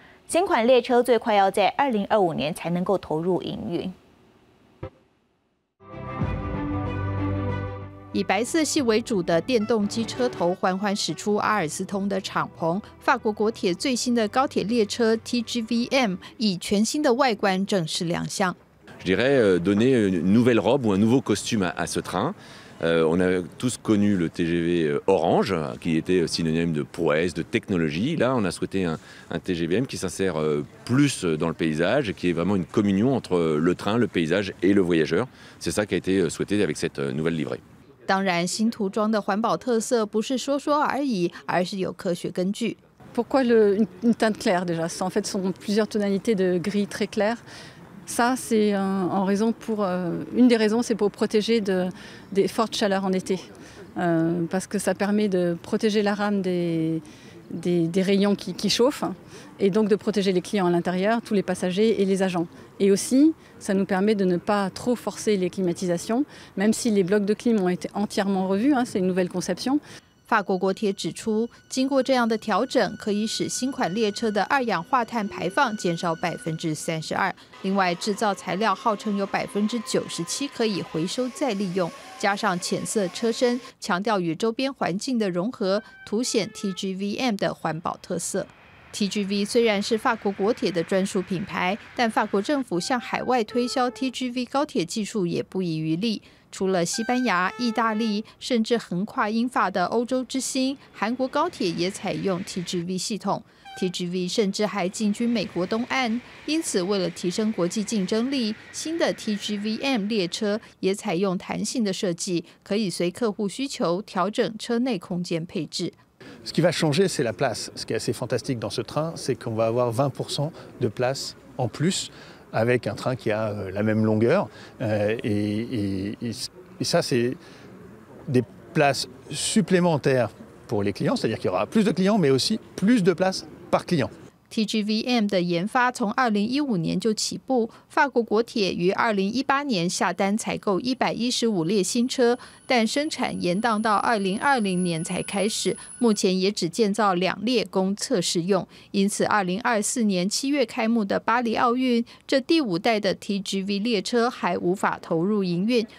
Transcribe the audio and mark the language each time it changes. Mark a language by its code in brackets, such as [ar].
[zh] 新款列车最快要在2025年才能够投入营运。以白色系为主的电动机车头缓缓驶出阿尔斯通的敞篷，法国国铁最新的高铁列车 TGVM 以全新的外观正式亮相。 [fr] Je dirais donner une nouvelle robe ou un nouveau costume à ce train. On a tous connu le TGV orange qui était synonyme de prouesse, de technologie. Là, on a souhaité un TGVM qui s'insère plus dans le paysage, qui est vraiment une communion entre le train, le paysage et le voyageur. C'est ça qui a été souhaité avec cette nouvelle livrée. [zh] 当然，新涂装的环保特色不是说说而已，而是有科学根据。 [fr] Pourquoi une teinte claire déjà ? En fait, sont plusieurs tonalités de gris très clair. Ça, c'est en raison pour une des raisons, c'est pour protéger des fortes chaleurs en été, parce que ça permet de protéger la rame des rayons qui chauffent, et donc de protéger les clients à l'intérieur, tous les passagers et les agents. Et aussi, ça nous permet de ne pas trop forcer les climatisations, même si les blocs de clim ont été entièrement revus, hein, c'est une nouvelle conception. [zh] 法国国铁指出，经过这样的调整，可以使新款列车的二氧化碳排放减少32%。另外，制造材料号称有97%可以回收再利用，加上浅色车身，强调与周边环境的融合，凸显 TGVM 的环保特色。 TGV 虽然是法国国铁的专属品牌，但法国政府向海外推销 TGV 高铁技术也不遗余力。除了西班牙、意大利，甚至横跨英法的欧洲之星，韩国高铁也采用 TGV 系统。 TGV 甚至还进军美国东岸，因此为了提升国际竞争力，新的 TGVM 列车也采用弹性的设计，可以随客户需求调整车内空间配置。 [fr] Ce qui va changer, c'est la place. Ce qui est assez fantastique dans ce train, c'est qu'on va avoir 20% de place en plus avec un train qui a la même longueur. Et ça, c'est des places supplémentaires pour les clients, c'est-à-dire qu'il y aura plus de clients, mais aussi plus de place par client. [zh] TGVM 的研发从2015年就起步，法国国铁于2018年下单采购115列新车，但生产延宕到2020年才开始，目前也只建造两列供测试用，因此2024年7月开幕的巴黎奥运，这第五代的 TGV 列车还无法投入营运。